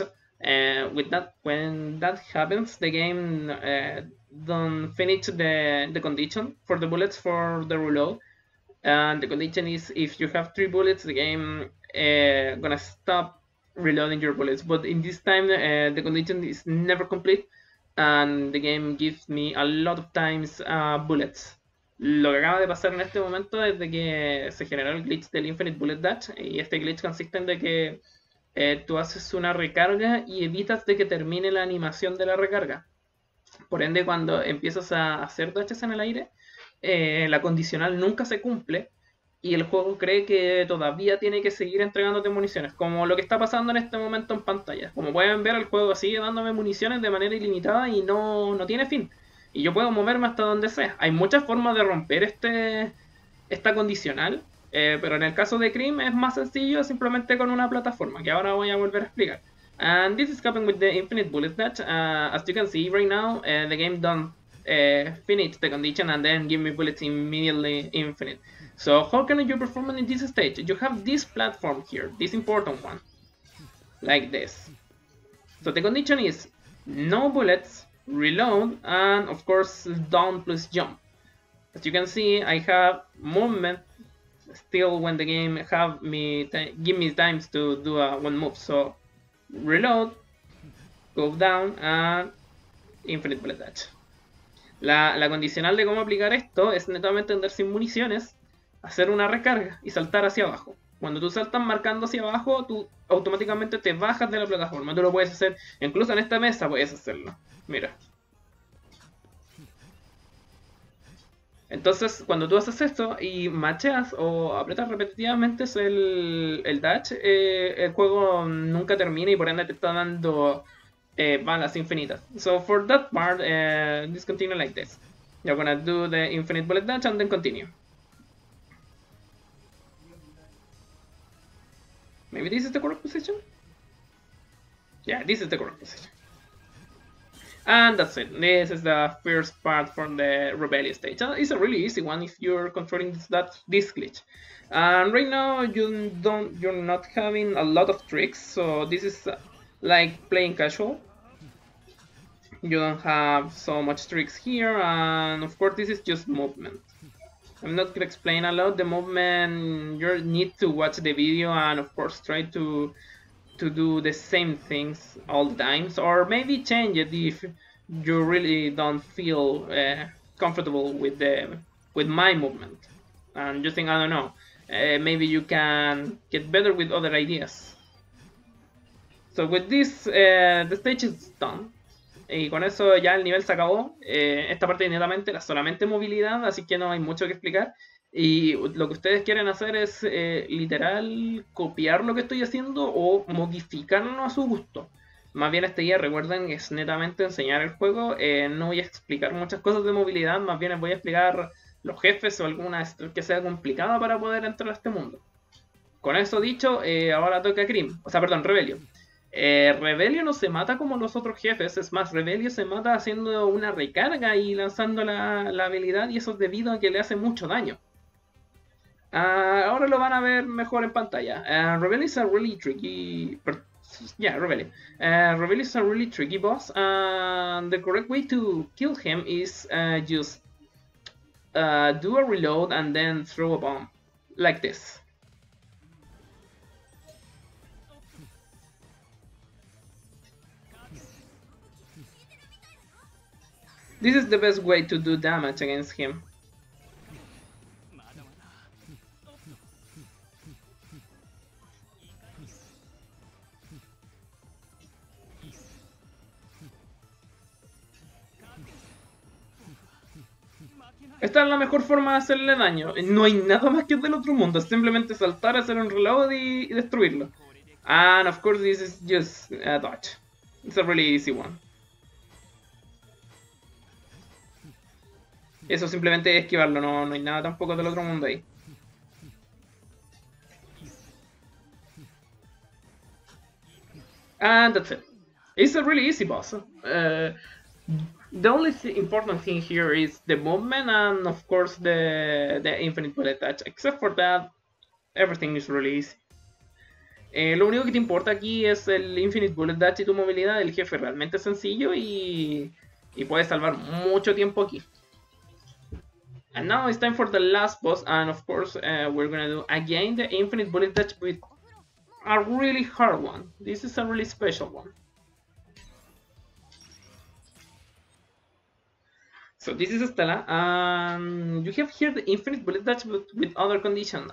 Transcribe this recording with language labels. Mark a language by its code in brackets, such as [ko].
[en] With that, when that happens, the game don't finish the condition for the bullets for the reload. And the condition is if you have 3 bullets, the game gonna stop reloading your bullets. But in this time, the condition is never complete, and the game gives me a lot of times bullets. [es] Lo que acaba de pasar en este momento es de que se generó el glitch del Infinite Bullet Dash, y este glitch consiste en de que tú haces una recarga y evitas de que termine la animación de la recarga. Por ende, cuando empiezas a hacer dashes en el aire, la condicional nunca se cumple y el juego cree que todavía tiene que seguir entregándote municiones, como lo que está pasando en este momento en pantalla. Como pueden ver, el juego sigue dándome municiones de manera ilimitada y no tiene fin. Y yo puedo moverme hasta donde sea. Hay muchas formas de romper esta condicional, pero en el caso de Cream es más sencillo simplemente con una plataforma, que ahora voy a volver a explicar. [en] And this is happening with the Infinite Bullet Dash. As you can see right now, the game done. Finish the condition and then give me bullets immediately infinite. So how can you perform in this stage? You have this platform here, this important one, like this. So the condition is no bullets, reload, and of course down plus jump. As you can see, I have movement still when the game have me give me times to do one move. So reload, Go down and infinite bullet dodge. [es] La condicional de cómo aplicar esto es netamente andar sin municiones, hacer una recarga y saltar hacia abajo. Cuando tú saltas marcando hacia abajo, tú automáticamente te bajas de la plataforma. Tú lo puedes hacer, incluso en esta mesa puedes hacerlo. Mira. Entonces, cuando tú haces esto y macheas o apretas repetitivamente el dash, el juego nunca termina y por ende te está dando balas infinitas. [en] So, for that part, just continue like this. You're gonna do the infinite bullet dash and then continue. Maybe this is the correct position? Yeah, this is the correct position. And that's it. This is the first part from the Rebellion stage. It's a really easy one if you're controlling this glitch. And right now you're not having a lot of tricks, so this is like playing casual. You don't have so much tricks here, and of course this is just movement. I'm not gonna explain a lot the movement. You need to watch the video and of course try to do the same things all the times, or maybe change it if you really don't feel comfortable with my movement. And you think, I don't know, maybe you can get better with other ideas. So with this, the stage is done. [es] Y con eso ya el nivel se acabó. Esta parte inmediatamente era solamente movilidad, así que no hay mucho que explicar. Y lo que ustedes quieren hacer es literal copiar lo que estoy haciendo o modificarlo a su gusto. Más bien este día, recuerden, es netamente enseñar el juego. No voy a explicar muchas cosas de movilidad, más bien les voy a explicar los jefes o alguna que sea complicada para poder entrar a este mundo. Con eso dicho, ahora toca Crim. O sea, perdón, Rebellion. Rebellion no se mata como los otros jefes, es más, Rebellion se mata haciendo una recarga y lanzando la habilidad, y eso es debido a que le hace mucho daño. Ahora lo van a ver mejor en pantalla. [en] Rebellion is a really tricky. Rebellion. Rebellion is a really tricky boss, and the correct way to kill him is just do a reload and then throw a bomb. Like this. This is the best way to do damage against him. [es] Esta es la mejor forma de hacerle daño. No hay nada más que del otro mundo. Es simplemente saltar, hacer un reload y destruirlo. [en] And of course this is just a dodge. It's a really easy one. [es] Eso simplemente es esquivarlo, no hay nada tampoco del otro mundo ahí. [en] And that's it. It's a really easy boss. The only th important thing here is the movement and of course the infinite bullet dodge. Except for that, everything is really easy. [es] Lo único que te importa aquí es el infinite bullet dodge y tu movilidad. El jefe realmente es sencillo y puedes salvar mucho tiempo aquí. [en] And now it's time for the last boss, and of course we're gonna do again the infinite bullet dodge with a really hard one. This is a really special one. So this is Estela, and you have here the infinite bullet dodge but with other condition.